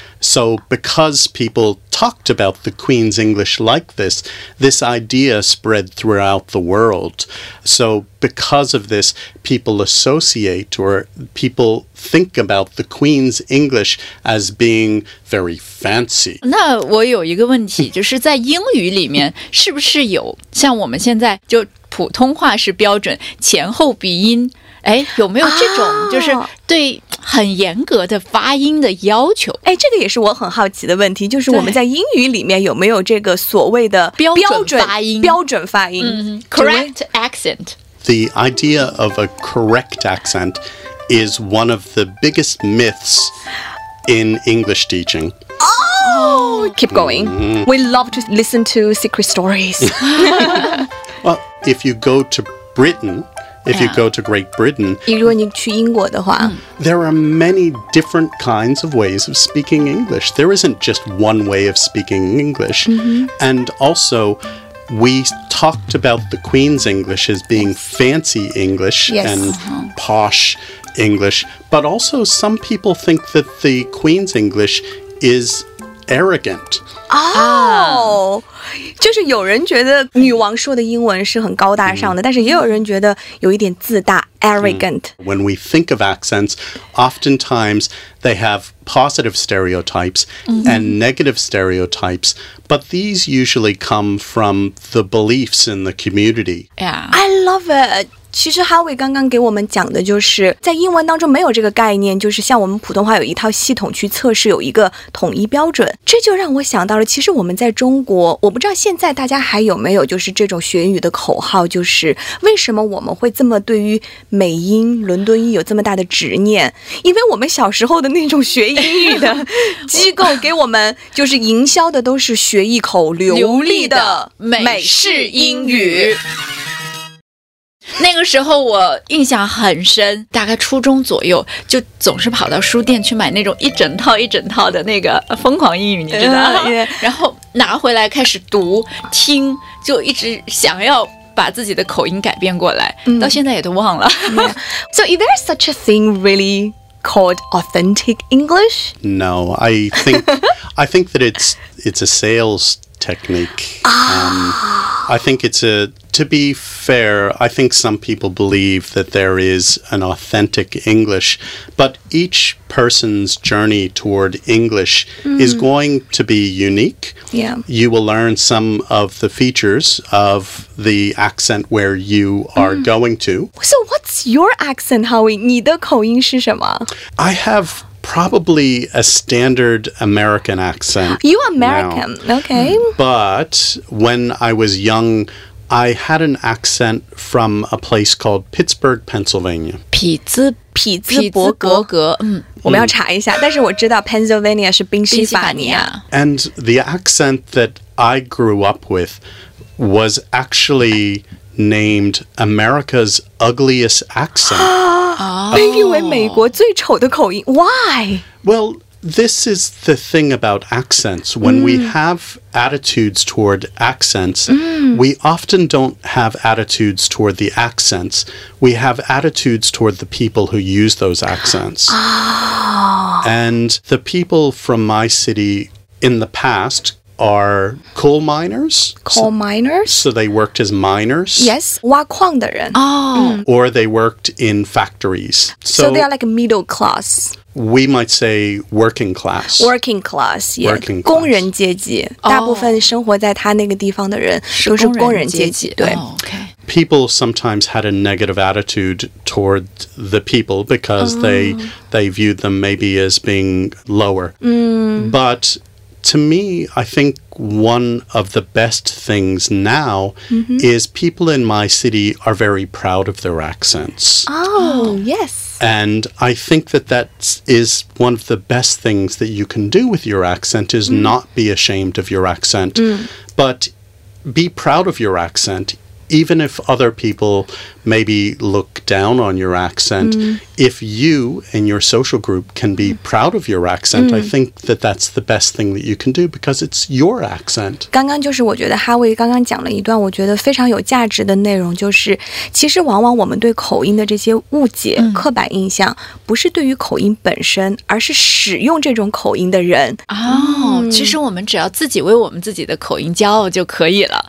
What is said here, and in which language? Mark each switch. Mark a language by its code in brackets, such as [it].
[en] So because people talked about the Queen's English like this, this idea spread throughout the world. So because of this, people associate or people think about the Queen's English as being very fancy. [zh] 那我有一个问题，就是在英语里面，是不是有像我们现在就普通话是标准，前后鼻音，哎，有没有这种就是对很严格的发音的要求哎，这个也是我很好奇的问题就是我们在英语里面有没有这个所谓的标准发音、嗯、 [en] correct accent The idea of a correct accent is one of the biggest myths in English teaching Oh, keep going、 mm-hmm. We love to listen to secret stories Well, if you go to Britain If you go to Great Britain, [zh] 如果你去英国的话 [en] there are many different kinds of ways of speaking English. There isn't just one way of speaking English.、 Mm-hmm. And also, we talked about the Queen's English as being fancy English、 yes. and posh English. But also, some people think that the Queen's English is arrogant. Oh! [zh] 就是有人觉得女王说的英文是很高大上的、嗯、但是也有人觉得有一点自大 arrogant、 [en] 嗯、When we think of accents oftentimes they have positive stereotypes、嗯、 and negative stereotypes but these usually come from the beliefs in the community、 yeah. I love it [zh] 其实 Howie 刚刚给我们讲的就是在英文当中没有这个概念就是像我们普通话有一套系统去测试有一个统一标准这就让我想到了其实我们在中国我不知道现在大家还有没有就是这种学英语的口号就是为什么我们会这么对于美音伦敦音有这么大的执念因为我们小时候的那种学英语的机构给我们就是营销的都是学一口流利的美式英语那个时候我印象很深，大概初中左右就总是跑到书店去买那种一整套一整套的那个疯狂英语，你知道吗？然后拿回来开始读听，就一直想要把自己的口音改变过来，到现在也都忘了。 [en] So is there such a thing really called authentic English? No, I think that it's a sales technique. I think it's a, to be fair, I think some people believe that there is an authentic English, but each person's journey toward English is going to be unique. Yeah. You will learn some of the features of the accent where you are going to. So what's your accent, Howie? [zh] 你的口音是什么? [en] I have... Probably a standard American accent. You American, now. Okay. But when I was young, I had an accent from a place called Pittsburgh, Pennsylvania. Pittsburgh. [zh] 我们要查一下，但是我知道 Pennsylvania 是宾夕法尼亚。 [en] And the accent that I grew up with was actually named America's Ugliest Accent. Why? Well, this is the thing about accents. When we have attitudes toward accents, we often don't have attitudes toward the accents. We have attitudes toward the people who use those accents. And the people from my city in the past... are coal miners. Coal miners? So they worked as miners. Yes, [zh] 挖矿的人。 [en] Or they worked in factories. So they are like middle class. We might say working class. Working class, yeah. Working class. [zh] 工人阶级。大部分生活在他那个地方的人都是工人阶级。对。 [en] People sometimes had a negative attitude toward the people because they viewed them maybe as being lower. But... To me, I think one of the best things now is people in my city are very proud of their accents. Oh, yes. And I think that that is one of the best things that you can do with your accent is not be ashamed of your accent, but be proud of your accent, even if other people maybe look down on your accent. If you and your social group can be proud of your accent, I think that that's the best thing that you can do because it's your accent. [zh] 刚刚就是我觉得 Howie 刚刚讲了一段我觉得非常有价值的内容，就是其实往往我们对口音的这些误解、刻板印象不是对于口音本身，而是使用这种口音的人。其实我们只要自己为我们自己的口音骄傲就可以了。